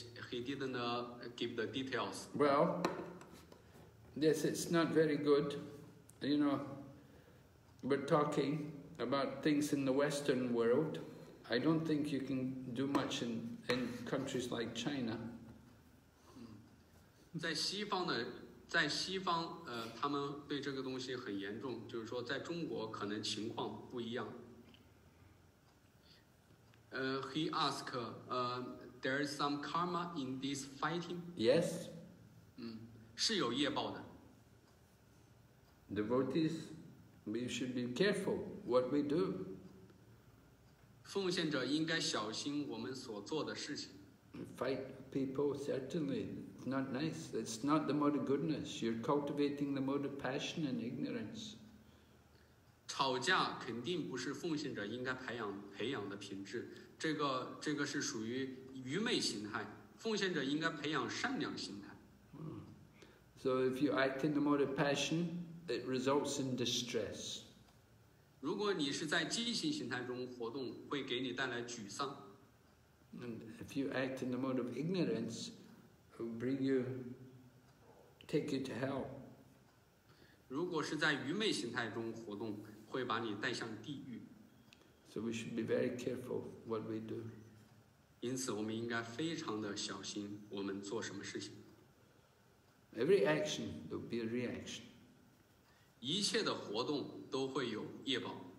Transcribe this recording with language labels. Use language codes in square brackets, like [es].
[en] He didn't give the details. Well, yes, it's not very good. You know, we're talking about things in the Western world. I don't think you can do much in countries like China. [zh] 在西方呢，在西方，他们对这个东西很严重，就是说在中国可能情况不一样。 [en] He asked, there is some karma in this fighting? Yes. [zh] 是有业报的。 [en] Devotees, we should be careful what we do. [zh] 奉献者应该小心我们所做的事情。 [en] Fight people, certainly, it's not nice. It's not the mode of goodness. You're cultivating the mode of passion and ignorance. [zh] 吵架肯定不是奉献者应该培养的品质。这个是属于愚昧心态。奉献者应该培养善良心态。 [en] So if you act in the mode of passion, it results in distress. [zh] 如果你是在激情形态中活动，会给你带来沮丧。 [en] And if you act in the mode of ignorance, it will bring you, take you to hell. [zh] 如果是在愚昧形态中活动，会把你带向地狱。 [en] So we should be very careful what we do. [zh] 因此，我们应该非常的小心我们做什么事情。 [en] Every action will be a reaction. [zh] 一切的活动都会有业报。